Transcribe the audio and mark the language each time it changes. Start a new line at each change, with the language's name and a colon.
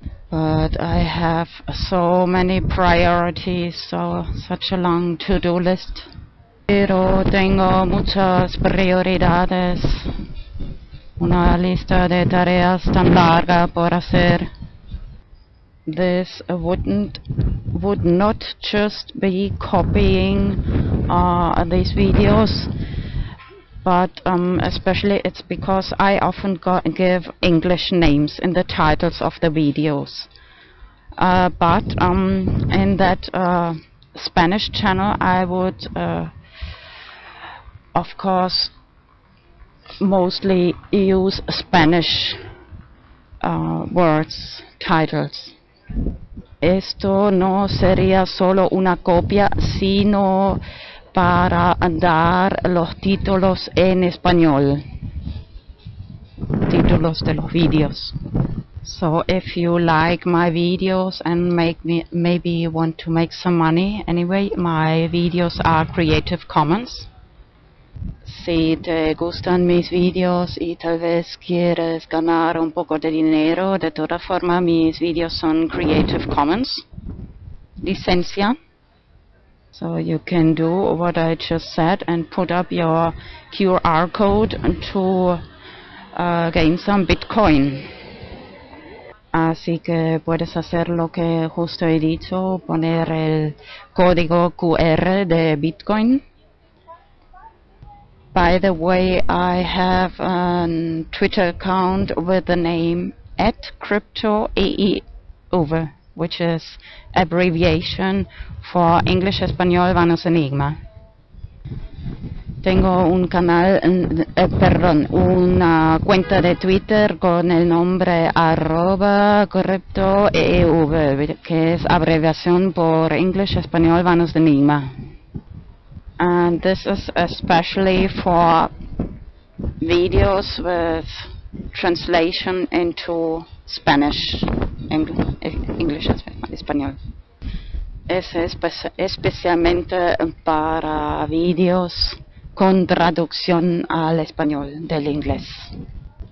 English: But I have so many priorities, so such a long to-do list.
Spanish: Pero tengo muchas prioridades, una lista de tareas tan larga por hacer.
English: This would not just be copying these videos, but especially it's because I often give English names in the titles of the videos. But in that Spanish channel, I would of course mostly use Spanish words, titles.
Spanish: Esto no sería solo una copia, sino para dar los títulos en español, títulos de los videos.
English: So if you like my videos and maybe want to make some money anyway, my videos are Creative Commons.
Spanish: Si te gustan mis videos y tal vez quieres ganar un poco de dinero, de todas formas mis videos son Creative Commons licencia.
English: So you can do what I just said and put up your QR code to gain some Bitcoin.
Spanish: así que puedes hacer lo que justo he dicho, poner el código QR de Bitcoin.
English: By the way, I have a Twitter account with the name @CryptoEEV, which is abbreviation for English Español Vanos Enigma.
Spanish: Tengo un canal, perdón, una cuenta de Twitter con el nombre @CryptoEEV, que es abreviación por English Español Vanos Enigma.
English: And this is especially for videos with translation into Spanish, English, Español.
Spanish: Es especialmente para videos con traducción al español del inglés.